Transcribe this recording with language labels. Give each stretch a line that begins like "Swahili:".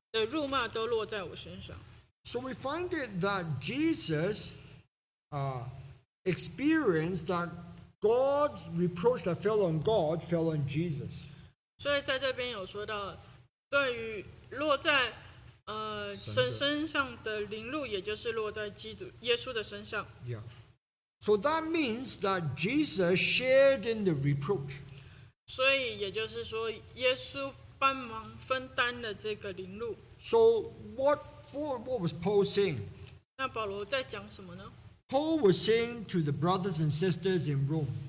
Chinese: 15章第1节，我们坚固的人应当担待不坚固人的软弱，不求自己的喜悦。第2节，我们个人务要叫灵舍喜悦，使他得益处，建立德行。第3节，因为基督也不求自己的喜悦，如经上所记，辱骂你们的人辱骂的辱骂都落在我身上。So
English: we find it that Jesus experienced that God's reproach that fell on God fell on Jesus.
Chinese: 所以在这边有说到，对于落在神身上的凌辱，也就是落在基督耶稣的身上。
English: Yeah. So that means that Jesus shared in the reproach.
Chinese: 所以也就是说，耶稣帮忙分担了这个凌辱。
English: So what was Paul saying?
Chinese: 那保罗在讲什么呢？
English: Paul was saying to the brothers and sisters in Rome.